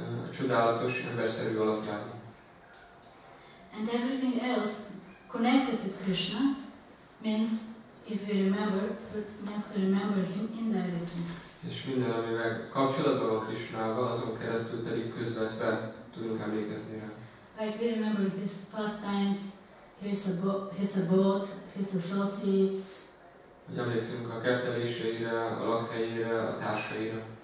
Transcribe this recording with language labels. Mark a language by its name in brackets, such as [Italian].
[Hungarian] Csodálatos emberszerű alakjában. [English] And everything else connected with Krishna means, if we remember, means to remember him indirectly. [Hungarian] És minden, amivel kapcsolatban van Krishnával, azon keresztül pedig közvetve tudunk emlékezni rá. [English] Like we remember his pastimes, his abode, his associates. [Hungarian] Hogy emlékszünk a kerteléseire, a lakhelyére, a társaira.